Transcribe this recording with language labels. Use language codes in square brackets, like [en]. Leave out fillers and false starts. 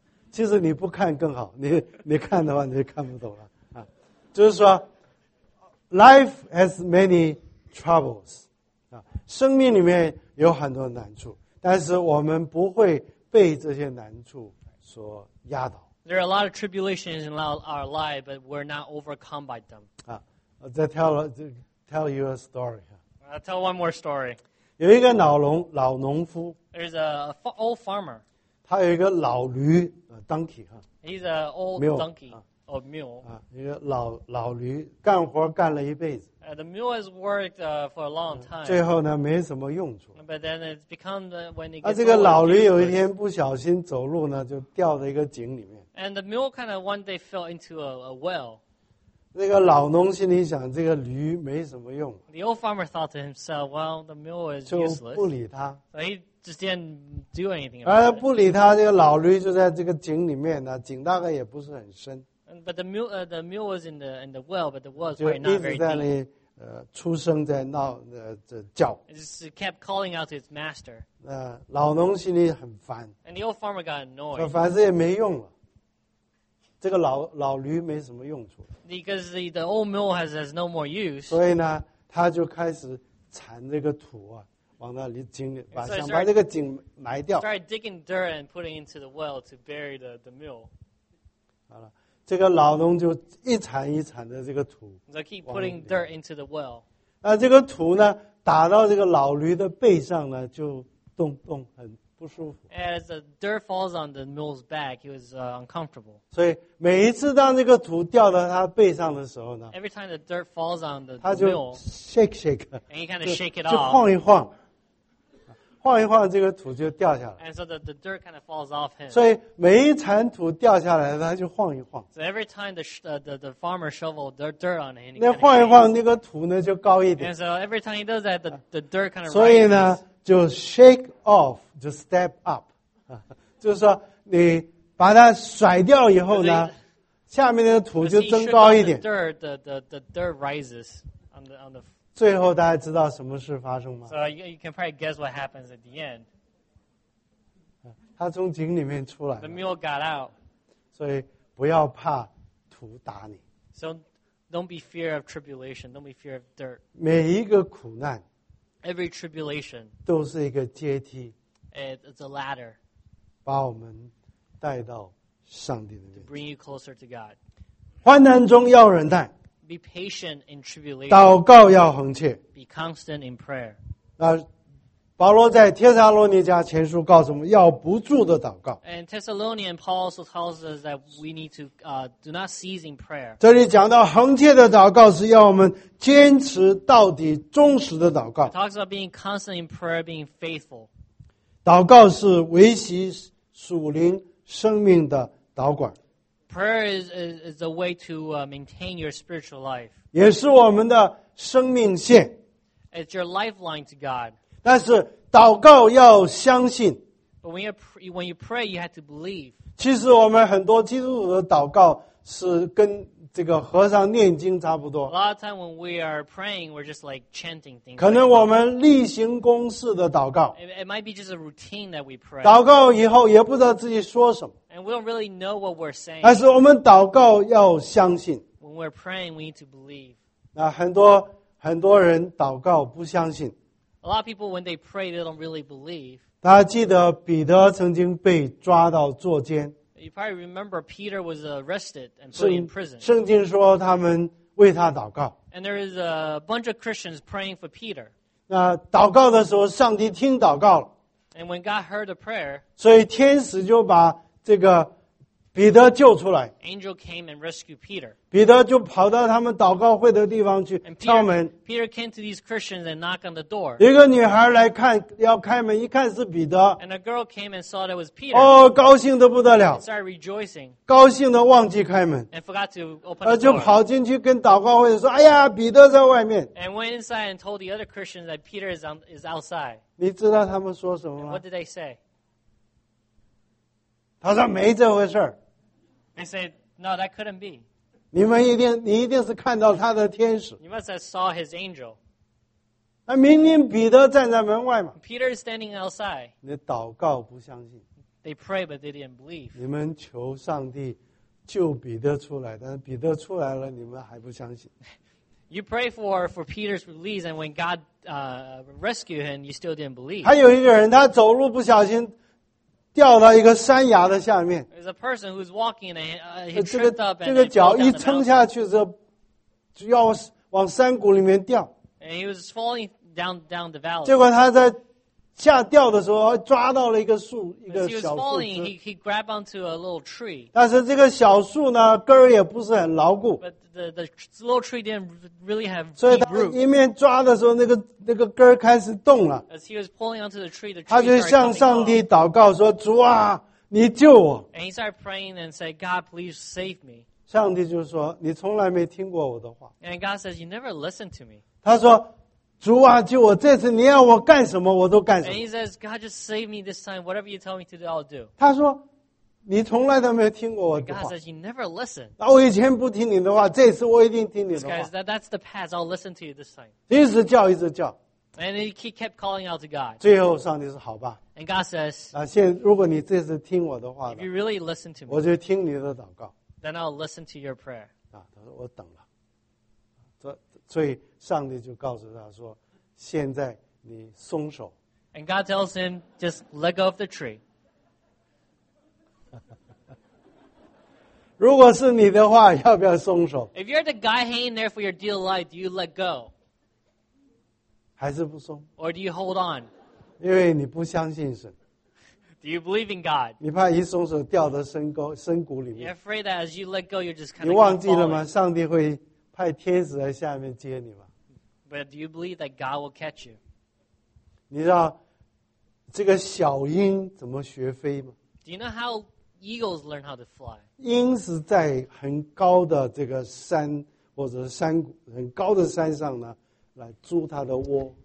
[zh] 其实你不看更好，你看的话你就看不懂了。就是说 [en] life has many troubles. [zh] 生命里面有很多难处，但是我们不会被这些难处所压倒。 [en] There are a lot of tribulations in our life, but we're not overcome by them. I'll tell you a story. I'll tell one more story. [zh] 有一个老农夫。 [en] There's an old farmer. [zh] 他有一个老驴 donkey. [en] He's an old donkey or mule. [zh] 一个老驴干活干了一辈子。 [en] The mule has worked for a long time. [zh] 最后呢没什么用处。 [en] But then it's become when it gets. [zh] 这个老驴有一天不小心走路呢，就掉在一个井里面。 [en] And the mule kind of one day fell into a well. [zh] 那个老农心里想，这个驴没什么用。 [en] The old farmer thought to himself, "Well, the mule is useless." [zh] 就不理他。 [en] So he just didn't do anything about it. [zh] 而不理他，这个老驴就在这个井里面呢，井大概也不是很深。 [en] But the mule was in the well, but the well was probably not very deep. [zh] 就一直在那里，出声在闹，在叫。 [en] It just kept calling out to its master. [zh] 老农心里很烦。 [en] And the old farmer got annoyed. [zh] 说反正也没用了，这个老驴没什么用处。 [en] Because the old mule has no more use. [zh] 所以呢，他就开始铲这个土啊，往那里井里把想把这个井埋掉。 [en] Started digging dirt and putting into the well to bury the mule. [zh] 好了。这个老农就一铲一铲的这个土 [en] ，They keep putting dirt into the well. [zh] 那这个土呢，打到这个老驴的背上呢，就咚咚很不舒服。 [en] As the dirt falls on the mule's back, he was uncomfortable. [zh] 所以每一次当这个土掉到他背上的时候呢 [en] ，Every time the dirt falls on the mule, [zh] 他就 shake [en] and he kind of shake it off, [zh] 就晃一晃。晃一晃，这个土就掉下来。 [en] And so the dirt kind of falls off him. [zh] 所以每一铲土掉下来，他就晃一晃。 [en] So every time the farmer shovel the dirt on him, [zh] 那晃一晃，那个土呢就高一点。 [en] And so every time he does that, the dirt kind of. [zh] 所以呢，就 [en] shake off, [zh] 就 [en] step up, [zh] 就是说你把它甩掉以后呢，下面的土就增高一点。 [en] The dirt rises on the. [zh] 最后大家知道什么事发生吗 [en] ？So you can probably guess what happens at the end. [zh] 他从井里面出来。 [en] The mule got out. [zh] 所以不要怕土打你。 [en] So don't be fear of tribulation. Don't be fear of dirt. [zh] 每一个苦难 [en] ，Every tribulation [zh] 都是一个阶梯。 [en] It's a ladder. [zh] 把我们带到上帝的面前。 [en] To bring you closer to God. [zh] 患难中要忍耐。 [en] Be patient in tribulation. [zh] 祷告要恒切。 [en] Be constant in prayer. [zh] 保罗在帖撒罗尼迦前书告诉我们要不住的祷告。 [en] And Thessalonians, Paul also tells us that we need to do not cease in prayer. [zh] 这里讲到恒切的祷告是要我们坚持到底忠实的祷告。 [en] It talks about being constant in prayer, being faithful. [zh] 祷告是维系属灵生命的导管。 [en] Prayer is a way to maintain your spiritual life. [zh] 也是我们的生命线。 [en] It's your lifeline to God. [zh] 但是祷告要相信。 [en] But when you pray, you have to believe. [zh] 其实我们很多基督徒的祷告是跟这个和尚念经差不多。 [en] A lot of time when we are praying, we're just like chanting things. [zh] 可能我们例行公事的祷告。 [en] It might be just a routine that we pray. [zh] 祷告以后也不知道自己说什么。 [en] And we don't really know what we're saying. [zh] 但是我们祷告要相信。 [en] When we're praying, we need to believe. [zh] 那很多很多人祷告不相信。 [en] A lot of people when they pray they don't really believe. [zh] 大家记得彼得曾经被抓到坐监。 [en] You probably remember Peter was arrested and put in prison. [zh] 圣经说他们为他祷告。 [en] And there is a bunch of Christians praying for Peter. [zh] 那祷告的时候上帝听祷告了。 [en] And when God heard the prayer, [zh] 所以天使就把这个彼得救出来。 [en] Angel came and rescued Peter. [zh] 彼得就跑到他们祷告会的地方去敲门。 [en] Peter came to these Christians and knocked on the door. [zh] 一个女孩来看要开门，一看是彼得。 [en] And a girl came and saw that it was Peter. [zh] 哦，高兴得不得了。 [en] Started rejoicing. [zh] 高兴得忘记开门。 [en] And forgot to open the door. [zh] 就跑进去跟祷告会说：“哎呀，彼得在外面。” [en] And went inside and told the other Christians that Peter is outside. [zh] 你知道他们说什么吗？ [en] What did they say? [zh] 他说没这回事。 [en] They said, no, that couldn't be. [zh] 你们一定，你一定是看到他的天使。 [en] You must have saw his angel. [zh] 那明明彼得站在门外嘛。 [en] Peter is standing outside. [zh] 你祷告不相信。 [en] They pray, but they didn't believe. [zh] 你们求上帝救彼得出来，但是彼得出来了，你们还不相信。 [en] You pray for Peter's release, and when God rescued him, you still didn't believe. [zh] 还有一个人，他走路不小心。掉到一个山崖的下面。 [en] There's a person who's walking and he tripped up and [zh] 这个脚一撑下去就要往山谷里面掉。 [en] And he was falling down the valley. [zh] 结果他在下掉的时候抓到了一个树，一个小树枝。 [en] He was falling, he grabbed onto a little tree. [zh] 但是这个小树呢，根儿也不是很牢固。 [en] But the little tree didn't really have deep root. [zh] 所以他一面抓的时候，那个根儿开始动了。 [en] As he was pulling onto the tree, [zh] 他就向上帝祷告说：“主啊，你救我。” [en] And he started praying and said, "God, please save me." [zh] 上帝就说：“你从来没听过我的话。” [en] And God says, "You never listened to me." [zh] 他说。主啊，就我这次，你要我干什么，我都干什么。 [en] And he says, God, just save me this time. Whatever you tell me to do, I'll do. [zh] 他说，你从来都没有听过我的话。 [en] God says, you never listen. [zh] 那我以前不听你的话，这次我一定听你的话。 [en] Guys, that's the past. I'll listen to you this time. [zh] 一直叫，一直叫。 [en] And he kept calling out to God. [zh] 最后上帝说，好吧。 [en] And God says, [zh] 啊，现如果你这次听我的话， [en] if you really listen to me, [zh] 我就听你的祷告。 [en] Then I'll listen to your prayer. [zh] 啊，他说我等了。所以上帝就告诉他说：“现在你松手。” [en] And God tells him, "Just let go of the tree." [zh] 如果是你的话，要不要松手 [en] ？If you're the guy hanging there for your dear life, do you let go? [zh] 还是不松 [en] ？Or do you hold on? [zh] 因为你不相信神。 [en] Do you believe in God? [zh] 你怕一松手掉到深谷里面 [en] ？You're afraid that as you let go, you're just kind of [zh] 你忘记了吗？上帝会。派天使在下面接你吧。 [en] But do you believe that God will catch you? [zh] 你知道这个小鹰怎么学飞吗 [en] ？Do you know how eagles learn how to fly? [zh] 鹰是在很高的这个山或者山很高的山上呢，来筑它的窝。